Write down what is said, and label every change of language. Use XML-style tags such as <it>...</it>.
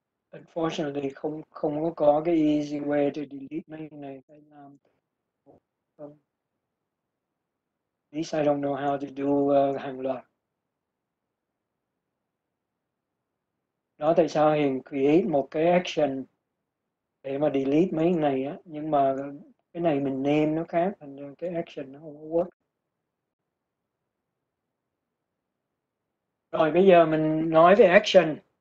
<vi>Unfortunately không không có cái</vi> <en>easy way to delete</en> <vi>mấy cái này, phải làm không.</vi> <en>This I don't know how to do</en> <vi>hàng loạt. Đó tại sao Hiền create một cái action để mà delete mấy cái này á, nhưng mà cái này mình name nó khác, thành ra cái action nó không có work. Rồi bây giờ mình nói về action.</vi>